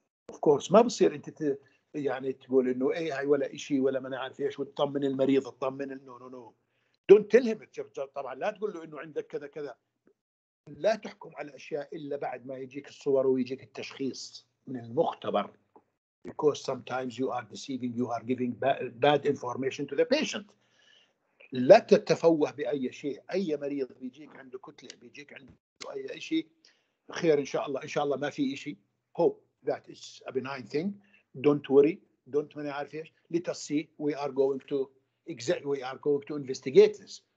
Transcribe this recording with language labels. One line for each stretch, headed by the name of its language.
English: of course
Arabic: ما بصير انت يعني تقول انه اي هاي ولا شيء ولا ما انا عارف ايش، وتطمن المريض، تطمن انه
English: No don't tell him.
Arabic: طبعا لا تقول له انه عندك كذا كذا. لا تحكم على اشياء الا بعد ما يجيك الصور ويجيك التشخيص من المختبر.
English: Because sometimes you are deceiving, you are giving bad information to the patient.
Arabic: لا تتفوه باي شيء. اي مريض بيجيك عنده كتله، بيجيك عنده اي شيء، خير ان شاء الله ما في شيء.
English: Hope that is a benign thing. Don't worry. Don't many
Arabic: عارف إيش.
English: Let us see. We are going to investigate this.